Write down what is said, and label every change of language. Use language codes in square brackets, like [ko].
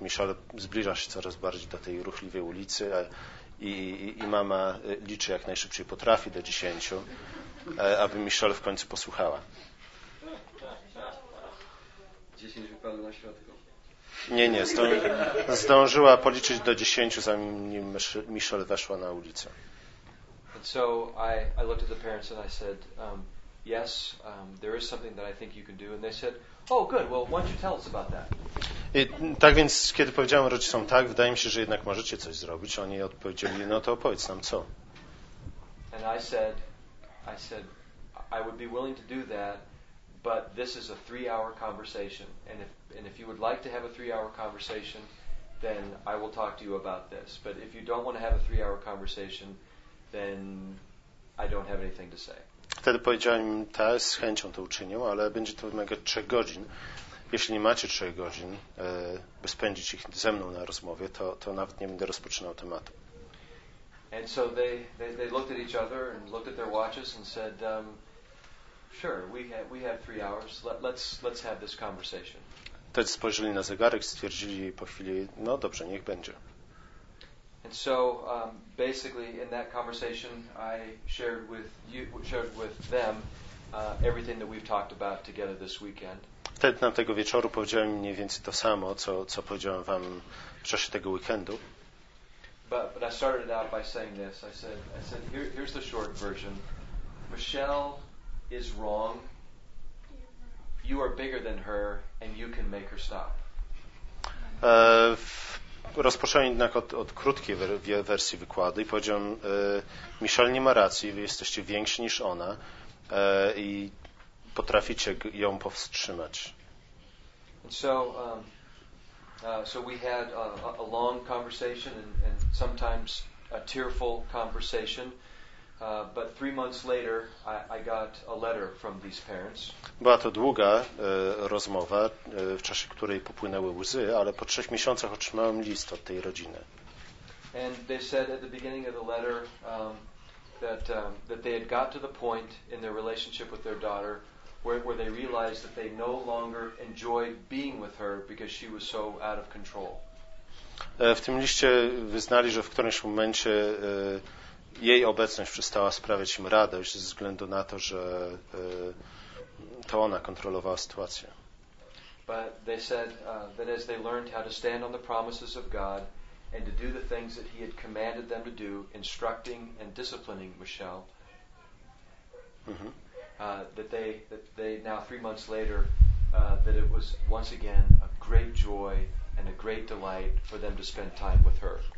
[pl] Michelle zbliża się coraz bardziej do tej ruchliwej ulicy i mama liczy, jak najszybciej potrafi do 10, aby Michelle w końcu posłuchała. 10 wypadło na środku. Nie, zdążyła policzyć do 10, zanim Michelle weszła na ulicę. [en] And so I looked at the parents and I said, "Yes, there is something that I think you can do." And they said, "Oh, good. Well, why don't you tell us about that?" [pl] I tak więc, kiedy powiedziałem rodzicom, tak, wydaje mi się, że jednak możecie coś zrobić, oni odpowiedzieli, no to opowiedz nam co. [en] And I said, "I would be willing to do that, but this is a 3-hour conversation. And if you would like to have a 3-hour conversation, then I will talk to you about this. But if you don't want to have a 3-hour conversation, then I don't have anything to say." [pl] Wtedy powiedziałem im, z chęcią to uczynię, ale będzie to wymagać 3 godzin. Jeśli nie macie 3 godzin, by spędzić ich ze mną na rozmowie, to nawet nie będę rozpoczynał tematu. [en] And so they looked at each other and looked at their watches and said, "Sure, we have 3 hours. Let's have this conversation." [pl] Też spojrzeli na zegarek, stwierdzili po chwili, no dobrze, niech będzie. [en] And so basically in that conversation I shared with them everything that we've talked about together this weekend. [pl] Wtedy tamtego wieczoru powiedziałem mniej więcej to samo, co powiedziałem wam w czasie tego weekendu. [en] But I started out by saying this. I said here's the short version. Michelle is wrong. You are bigger than her and you can make her stop. [pl] rozpocząłem jednak od krótkiej wersji wykładu i powiedziałem, Michel nie ma racji, wy jesteście większy niż ona i potraficie ją powstrzymać. [en] And so, so we had a long conversation and sometimes a tearful conversation. But 3 months later, I got a letter from these parents. [pl] Była to długa rozmowa, w czasie której popłynęły łzy, ale po 3 miesiącach otrzymałem list od tej rodziny. [en] And they said at the beginning of the letter that they had got to the point in their relationship with their daughter where they realized that they no longer enjoyed being with her because she was so out of control. [pl] W tym liście wyznali, że w którymś momencie jej obecność przestała sprawiać im radość ze względu na to, że to ona kontrolowała sytuację. [en] But they said that as they learned how to stand on the promises of God and to do the things that he had commanded them to do, instructing and disciplining Michelle, that they now 3 months later that it was once again a great joy and a great delight for them to spend time with her.